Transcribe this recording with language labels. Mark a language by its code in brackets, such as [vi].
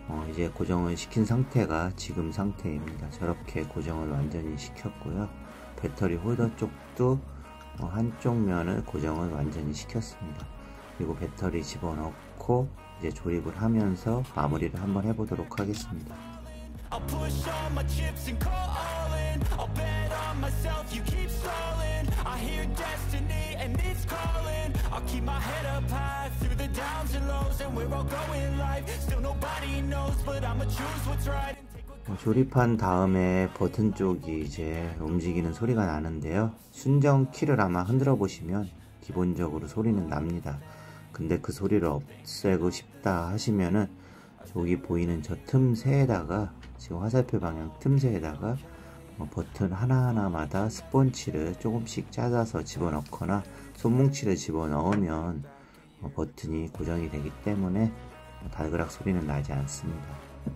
[ko] 이제 고정을 시킨 상태가 지금 상태입니다. 저렇게 고정을 완전히 시켰고요. 배터리 홀더 쪽도 한쪽 면을 고정을 완전히 시켰습니다. 그리고 배터리 집어넣고 이제 조립을 하면서 마무리를 한번 해보도록 하겠습니다. [en] I'll push all my chips and call all in. I'll bet on myself, you keep stalling. I hear destiny and it's calling. I'll keep my head up high through the downs and lows. And we're all going live. Still nobody knows, but I'ma choose what's right. [ko] 조립한 다음에 버튼 쪽이 이제 움직이는 소리가 나는데요. 순정 키를 아마 흔들어 보시면 기본적으로 소리는 납니다. 근데 그 소리를 없애고 싶다 하시면은 여기 보이는 저 틈새에다가, 지금 화살표 방향 틈새에다가 버튼 하나하나마다 스펀지를 조금씩 짜서 집어넣거나 손뭉치를 집어넣으면 버튼이 고정이 되기 때문에 달그락 소리는 나지 않습니다.